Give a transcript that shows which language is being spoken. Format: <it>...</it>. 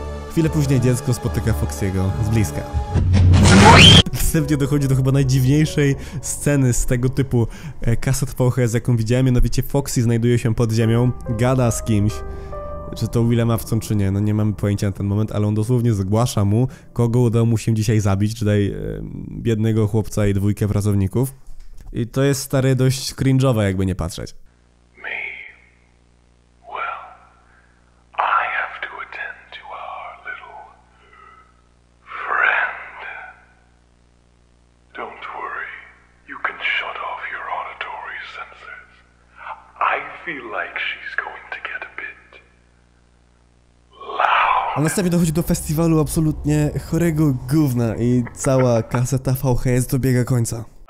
<pl>Chwilę później dziecko spotyka Foxy'ego z bliska. Następnie dochodzi do chyba najdziwniejszej sceny z tego typu kaset VHS, jaką widziałem, mianowicie Foxy znajduje się pod ziemią, gada z kimś, czy to Willemawcą, czy nie, no nie mamy pojęcia na ten moment, ale on dosłownie zgłasza mu, kogo udało mu się dzisiaj zabić, czytaj biednego chłopca i dwójkę pracowników. I to jest, stary, dość cringe'owe, jakby nie patrzeć.</pl> <en>Me. Well, I have to attend to our little friend. Don't worry, you can shut off your auditory sensors. I feel like she's going to get a bit loud.</en> <pl>A następnie dochodzi do festiwalu absolutnie chorego gówna i cała kaseta VHS dobiega końca.</pl>